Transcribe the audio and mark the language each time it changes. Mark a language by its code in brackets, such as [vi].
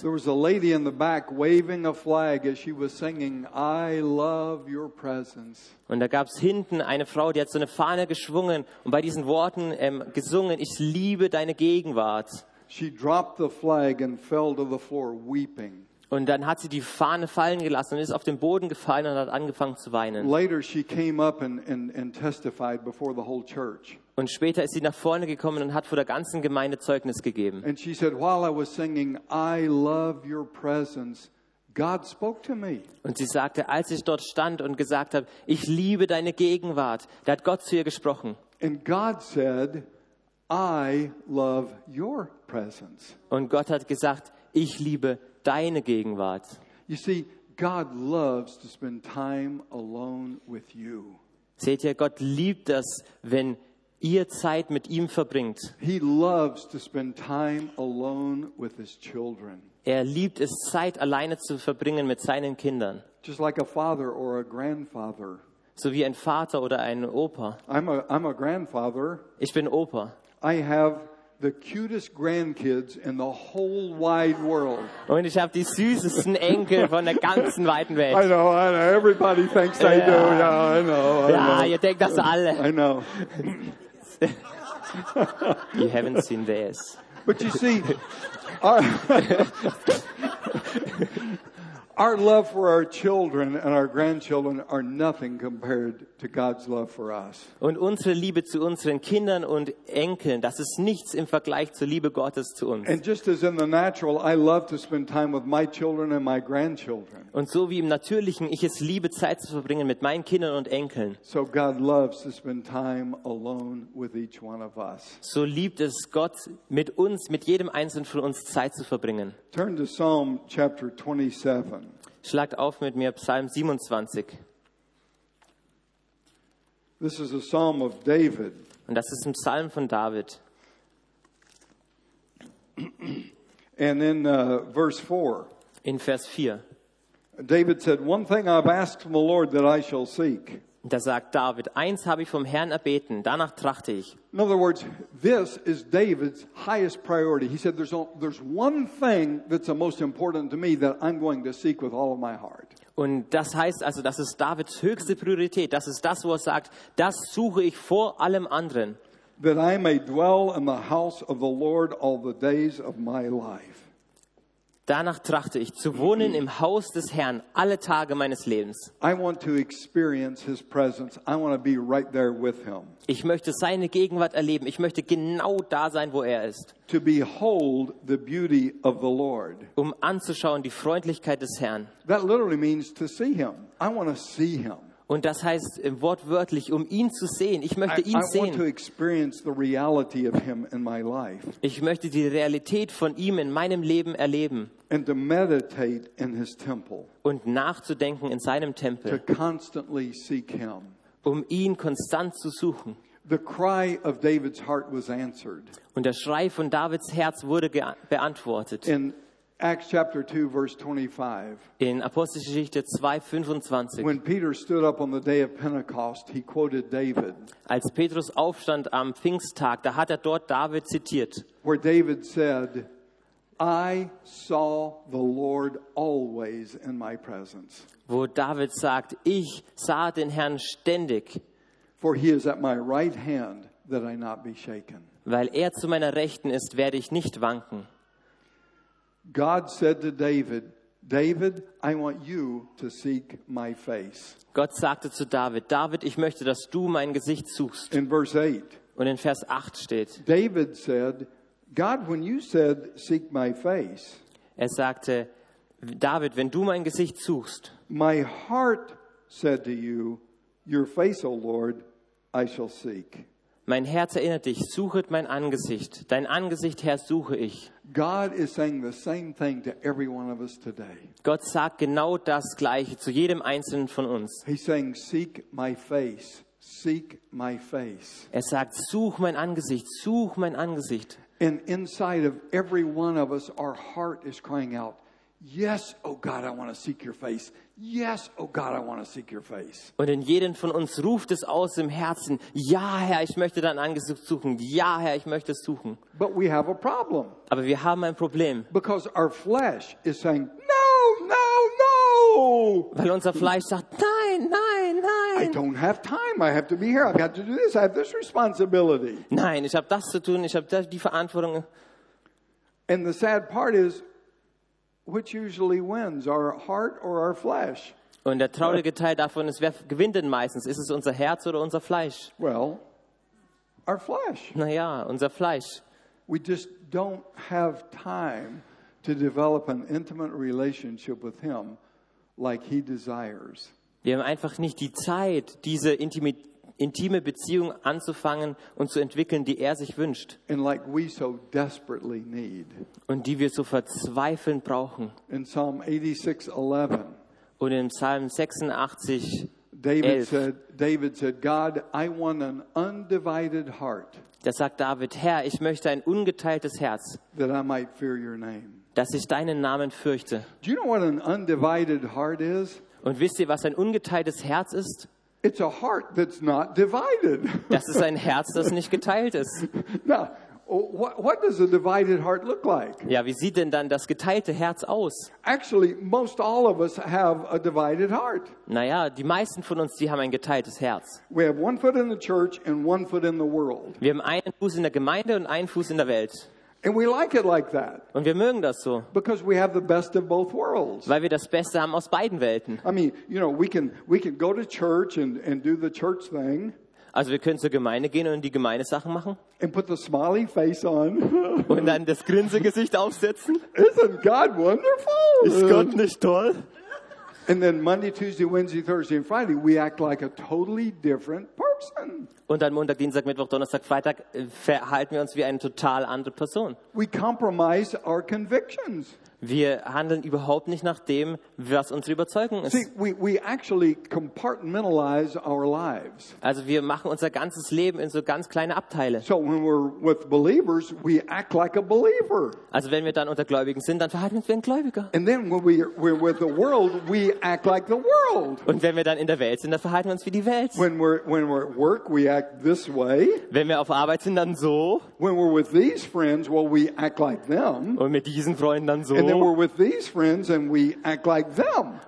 [en] There was a lady in the back waving a flag as she was singing I love your presence. [de] Und da gab's hinten eine Frau, die hat so eine Fahne geschwungen und bei diesen Worten gesungen, ich liebe deine Gegenwart. [en] She dropped the flag and fell to the floor weeping. [de] Und dann hat sie die Fahne fallen gelassen und ist auf den Boden gefallen und hat angefangen zu weinen. [en] Later she came up and testified before the whole church. [de] Und später ist sie nach vorne gekommen und hat vor der ganzen Gemeinde Zeugnis gegeben. [en] And she said while I was singing I love your presence, God spoke to me. [de] Und sie sagte, als ich dort stand und gesagt habe, ich liebe deine Gegenwart, da hat Gott zu ihr gesprochen. [en] And God said, I love your presence. [de] Und Gott hat gesagt, ich liebe deine Gegenwart. [en] You see, God loves to spend time alone with you. [de] Seht ihr, Gott liebt das, wenn ihr Zeit mit ihm verbringt. [en] He loves to spend time alone with his children. [de] Er liebt es, Zeit alleine zu verbringen mit seinen Kindern. [en] Just like a father or a grandfather. [de] So wie ein Vater oder ein Opa. [en] I'm a grandfather. [de] Ich bin Opa. [en] I have the cutest grandkids in the whole wide world. [de] Und ich habe die süßesten Enkel von der ganzen weiten Welt. [en] I know. Everybody thinks they do. Yeah, I know. [de] Ihr denkt das alle. [en] I know. You haven't seen this. But you see, our love for our children and our grandchildren are nothing compared to God's love for us. [de] Und unsere Liebe zu unseren Kindern und Enkeln, das ist nichts im Vergleich zur Liebe Gottes zu uns. [en] And just as in the natural, I love to spend time with my children and my grandchildren. [de] Und so wie im Natürlichen, ich es liebe, Zeit zu verbringen mit meinen Kindern und Enkeln. [en] So God loves to spend time alone with each one of us. [de] So liebt es Gott, mit uns, mit jedem einzelnen von uns Zeit zu verbringen. [en] Turn to Psalm chapter 27. [de] Schlagt auf mit mir Psalm 27. [en] This is a psalm of David. [de] Und das ist ein Psalm von David. [en] And in verse 4. [de] In Vers 4. [en] David said, "One thing I've asked from the Lord that I shall seek." [de] Da sagt David, eins habe ich vom Herrn erbeten, danach trachte ich. [en] In other words, this is David's highest priority. He said, there's one thing that's the most important to me that I'm going to seek with all of my heart. [de] Und das heißt also, das ist Davids höchste Priorität. Das ist das, wo er sagt, das suche ich vor allem anderen. [en] That I may dwell in the house of the Lord all the days of my life. [de] Danach trachte ich, zu wohnen im Haus des Herrn alle Tage meines Lebens. [en] I want to experience his presence. I want to be right there with him. [de] Ich möchte seine Gegenwart erleben. Ich möchte genau da sein, wo er ist. [en] To behold the beauty of the Lord. [de] Um anzuschauen die Freundlichkeit des Herrn. [en] That literally means to see him. I want to see him. [de] Und das heißt wortwörtlich, um ihn zu sehen. Ich möchte ihn sehen. [en] I want to experience the reality of him in my life. [de] Ich möchte die Realität von ihm in meinem Leben erleben. [en] And to meditate in his temple. [de] Und nachzudenken in seinem Tempel. [en] To constantly seek him. [de] Um ihn konstant zu suchen. [en] The cry of David's heart was answered. [de] Und der Schrei von Davids Herz wurde beantwortet. [en] In Acts chapter 2 verse 25. [de] In Apostelgeschichte 2:25. [en] When Peter stood up on the day of Pentecost, he quoted David. [de] Als Petrus aufstand am Pfingsttag, da hat dort David zitiert. [en] Where David said, "I saw the Lord always in my presence." [de] Wo David sagt, ich sah den Herrn ständig. [en] For he is at my right hand that I not be shaken. [de] Weil zu meiner Rechten ist, werde ich nicht wanken. [en] God said to David, "David, I want you to seek my face." [de] Gott sagte zu David, David, ich möchte, dass du mein Gesicht suchst. [en] In verse 8. [de] Und in Vers 8 steht. [en] David said, "God, when you said seek my face." [de] Er sagte, David, wenn du mein Gesicht suchst. [en] "My heart said to you, your face, O Lord, I shall seek." [de] Mein Herz erinnert dich, suchet mein Angesicht. Dein Angesicht, Herr, suche ich. [en] God is saying the same thing to every one of us today. [de] Gott sagt genau das Gleiche zu jedem einzelnen von uns. [en] He's saying, "Seek my face, seek my face." [de] Er sagt, such mein Angesicht, such mein Angesicht. [en] And inside of every one of us, our heart is crying out, "Yes, oh God, I want to seek your face. Yes, oh God, I want to seek your face." [de] Und in jedem von uns ruft es aus im Herzen, "Ja, Herr, ich möchte dein Angesicht suchen. Ja, Herr, ich möchte es suchen." [en] But we have a problem. [de] Aber wir haben ein Problem. [en] Because our flesh is saying, "No, no, no." [de] Weil unser Fleisch sagt, "Nein, nein, nein." [en] "I don't have time. I have to be here. I've got to do this. I have this responsibility." [de] Nein, ich habe das zu tun, ich habe die Verantwortung. [en] And the sad part is, which usually wins, our heart or our flesh? [de] Und der traurige Teil davon ist, wer gewinnt denn meistens? Ist es unser Herz oder unser Fleisch? [en] Well, our flesh. [de] Naja, unser Fleisch. [en] We just don't have time to develop an intimate relationship with him like he desires. [de] Wir haben einfach nicht die Zeit, diese intime Beziehung anzufangen und zu entwickeln, die sich wünscht. [en] And like we so desperately need. [de] Und die wir so verzweifelnd brauchen. [en] In Psalm 86:11. [de] Und in Psalm 86, [en] David said, "God, I want an undivided heart." [de] Da sagt David, Herr, ich möchte ein ungeteiltes Herz. [en] "That I might fear your name." [de] Dass ich deinen Namen fürchte. [en] Do you know what an undivided heart is? [de] Und wisst ihr, was ein ungeteiltes Herz ist? [en] It's a heart that's not divided. [de] Das ist ein Herz, das nicht geteilt ist. [en] Now, what does a divided heart look like? [de] Ja, wie sieht denn dann das geteilte Herz aus? [en] Actually, most all of us have a divided heart. [de] Naja, die meisten von uns, die haben ein geteiltes Herz. [en] We have one foot in the church and one foot in the world. [de] Wir haben einen Fuß in der Gemeinde und einen Fuß in der Welt. [en] And we like it like that. [de] Und wir mögen das so. [en] Because we have the best of both worlds. [de] Weil wir das Beste haben aus beiden Welten. [en] I mean, you know, we can go to church and do the church thing. [de] Also wir können zur Gemeinde gehen und die Gemeindesachen machen. [en] And put the smiley face on. [de] Und dann das Grinsegesicht aufsetzen. [en] Isn't God wonderful? [de] Ist Gott nicht toll? [en] And then Monday, Tuesday, Wednesday, Thursday and Friday we act like a totally different person. [de] Und dann Montag, Dienstag, Mittwoch, Donnerstag, Freitag verhalten wir uns wie eine total andere Person. [en] We compromise our convictions. [de] Wir handeln überhaupt nicht nach dem, was unsere Überzeugung ist. [en] See, we actually compartmentalize our lives. [de] Also wir machen unser ganzes Leben in so ganz kleine Abteile. [en] So when we're with believers, we act like a believer. [de] Also wenn wir dann unter Gläubigen sind, dann verhalten wir uns wie ein Gläubiger. [en] And then when we're with the world, we act like the world. [de] Und wenn wir dann in der Welt sind, dann verhalten wir uns wie die Welt. [en] When we're at work, we act this way. [de] Wenn wir auf Arbeit sind, dann so. [en] When we're with these friends, well, we act like them. [de] Und mit diesen Freunden dann so. [en] And then we're with these friends and we act like them.